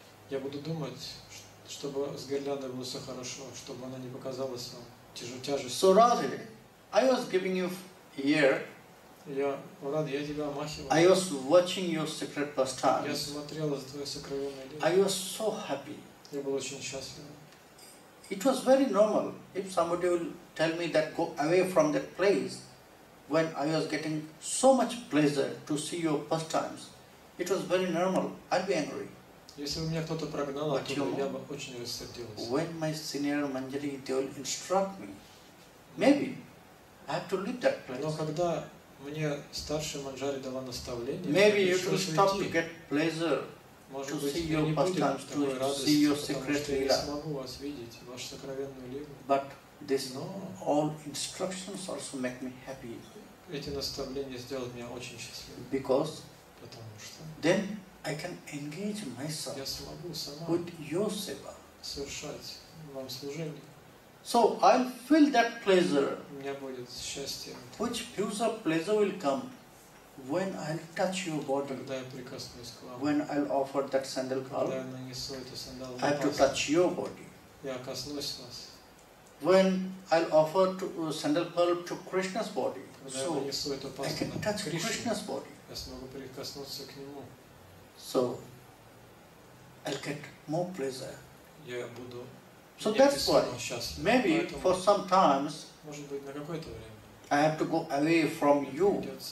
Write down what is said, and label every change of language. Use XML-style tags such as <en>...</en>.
<ru>я буду думать, чтобы с гирляндой было все хорошо, чтобы она не показалась вам тяжестью.</ru> <en>So Radhe, I was giving you ear.</en> <ru>Я, Radhe, я тебя махивал.</ru> <en>I was watching your secret pastime.</en> <ru>Я смотрел за твоей сокровенной лицом.</ru> <en>I was so happy.</en> <ru>Я был очень счастлив.</ru> <en>It was very normal if somebody will tell me that go away from that place when I was getting so much pleasure to see your pastimes. It was very normal. I'd be angry.</en> <ru>Если бы меня кто-то прогнал, я бы очень рассердился.</ru> <en>When my senior manjari they will instruct me, maybe I have to leave that place.</en> <ru>Но когда мне старший манджари дала наставление,</ru> <en>maybe you should stop to get pleasure,</en> <ru>может</ru> <en>to see your pastimes, to see your secret lila.</en> <ru>Я не смогу вас видеть, вашу сокровенную лилу.</ru> <en>But this all instructions also make me happy.</en> <ru>Эти наставления сделали меня очень счастливым.</ru> <en>Because</en> <ru>потому что</ru> <en>then I can engage myself</en> <ru>я смогу сама</ru> <en>with your seva</en> <ru>совершать вам служение.</ru> <en>So I'll feel that pleasure.</en> <ru>У меня будет счастье.</ru> <en>Which feels of pleasure will come when I'll touch your body.</en> <ru>Когда я прикоснусь к вам.</ru> <en>When I'll offer that sandalpa.</en> <ru>Когда я нанесу эту сандалову пасту.</ru> <en>I have to touch your body.</en> <ru>Я коснусь вас.</ru> <en>When I'll offer to sandalpa to Krishna's body.</en> <ru>Когда</ru> <en>so</en> <ru>я нанесу</ru> <en>I can touch Krishna. Krishna's body.</en> <ru>Я смогу прикоснуться к нему.</ru> <en>So I'll get more pleasure.</en> <ru>Я буду.</ru> <en>So that's why. Maybe</en> <ru>поэтому,</ru> <en>for some times.</en> <ru>Может быть на какое-то время.</ru> <en>I have to go away from you.</en>